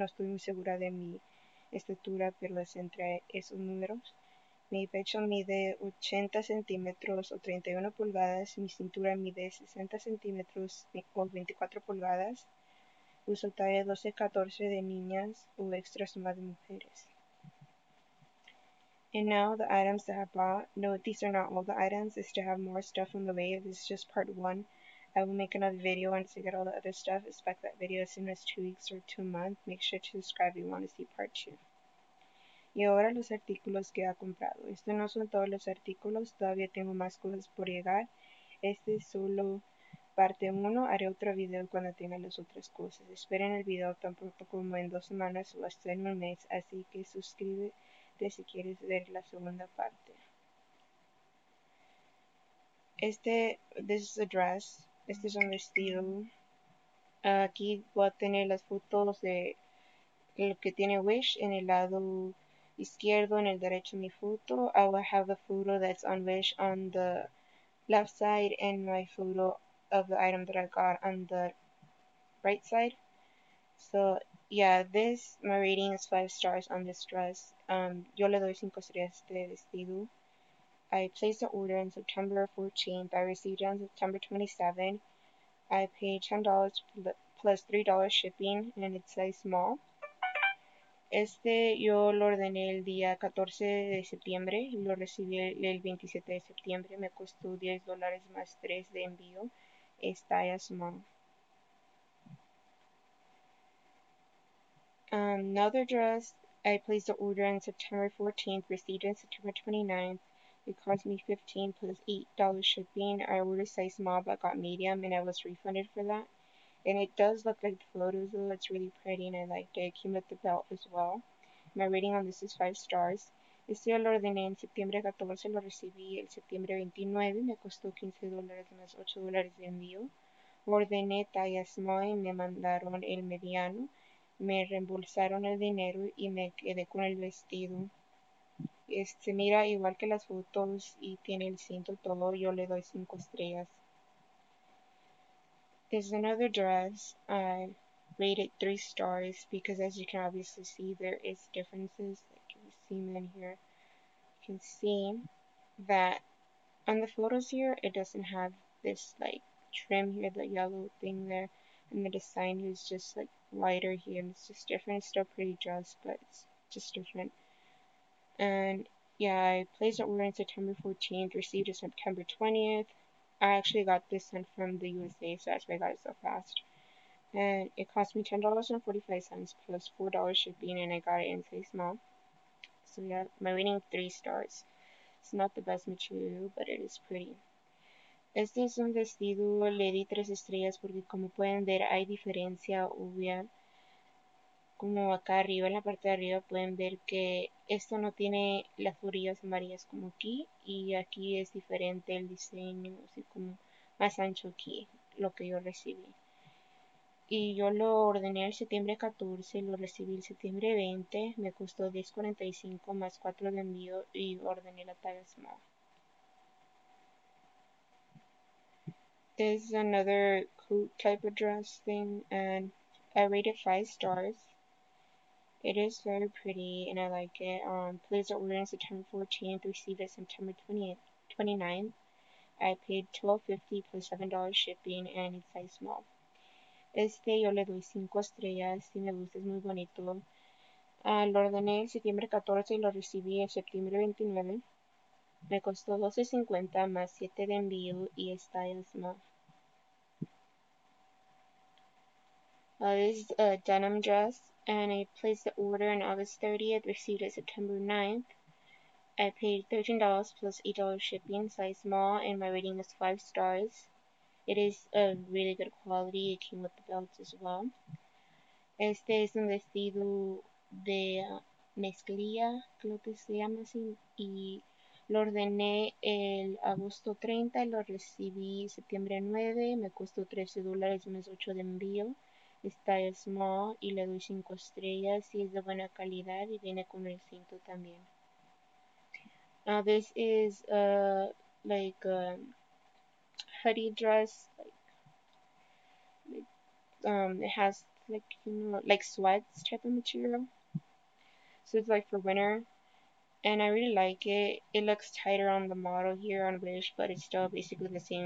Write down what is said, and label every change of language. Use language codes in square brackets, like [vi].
[es] No estoy muy segura de mi estatura, pero es entre esos números. Mi pecho mide 80 centímetros o 31 pulgadas. Mi cintura mide 60 centímetros o 24 pulgadas. Uso talla 12-14 de niñas o extra suma de mujeres. [en] And now the items that I bought. No, these are not all the items. I still have more stuff on the way. This is just part one. I will make another video once I get all the other stuff. Expect that video as soon as 2 weeks or 2 months. Make sure to subscribe if you want to see part two. [es] Y ahora los artículos que ha comprado. Estos no son todos los artículos. Todavía tengo más cosas por llegar. Este es solo parte 1. Haré otro video cuando tenga las otras cosas. Esperen el video tan pronto como en 2 semanas o hasta en 1 mes. Así que suscríbete si quieres ver la segunda parte. [en] This is a dress. [es] Este es un vestido. Aquí voy a tener las fotos de lo que tiene Wish en el lado izquierdo, en el derecho mi foto. [en] I will have the photo that's on Wish on the left side and my photo of the item that I got on the right side. So, yeah, my rating is 5 stars on this dress. [es] Yo le doy 5 estrellas a este vestido. [en] I placed an order on September 14th. I received it on September 27th. I paid $10 plus $3 shipping, and it's a small. [es] Este yo lo ordené el día 14 de septiembre. Lo recibí el 27 de septiembre. Me costó $10 más 3 de envío. Está a small. [en] Another dress. I placed the order on September 14th. Received it on September 29th. It cost me $15 plus $8 shipping. I ordered size small but got medium and I was refunded for that. And it does look like the photos though. It's really pretty and I liked it. It came with the belt as well. My rating on this is 5 stars. [es] Este yo lo ordené en septiembre 14, lo recibí el septiembre 29. Me costó $15 más $8 de envío. Ordené talla small y me mandaron el mediano. Me reembolsaron el dinero y me quedé con el vestido. Se mira igual que las fotos y tiene el cinto todo. Yo le doy 5 estrellas. [en] There's another dress. I rated 3 stars because as you can obviously see, there is differences. Like you see them in here. You can see that on the photos here, it doesn't have this like trim here, the yellow thing there. And the design is just like lighter here. And it's just different. It's still pretty dress, but it's just different. And yeah, I placed an order on September 14th, received it September 20th. I actually got this sent from the USA, so that's why I got it so fast. And it cost me $10.45 plus $4 shipping, and I got it in size small. So yeah, my rating 3 stars. It's not the best material, but it is pretty. [es] Este es un vestido, le di 3 estrellas porque como pueden ver, hay diferencia obvia. Como acá arriba, en la parte de arriba, pueden ver que esto no tiene las orillas amarillas como aquí. Y aquí es diferente el diseño, así como más ancho aquí, lo que yo recibí. Y yo lo ordené el septiembre 14, lo recibí el septiembre 20. Me costó $10.45 más 4 de envío y ordené la talla small. [en] This is another coat type of dress thing, and I rated 5 stars. It is very pretty and I like it. Placed the order on September 14th, received it September 29th. I paid $12.50 plus $7 shipping and it's size small. [es] Este yo le doy 5 estrellas y me gusta, es muy bonito. Lo ordené el septiembre 14 y lo recibí el septiembre 29. Me costó $12.50 más 7 de envío y es size small. [en] This is a denim dress. And I placed the order on August 30th, received it September 9th. I paid $13 plus $8 shipping, size small, and my rating is 5 stars. It is a really good quality, it came with the belts as well. [es] Este es un vestido de mezclilla, creo que se llama así, y lo ordené el agosto 30, lo recibí septiembre 9, me costó $13 más 8 de envío. Está small y le doy 5 estrellas y es de buena calidad y viene con el cinto también. [en] Now this is like a hoodie dress, it has like, you know, like sweats type of material. So it's like for winter and I really like it. It looks tighter on the model here on Wish, but it's still basically the same.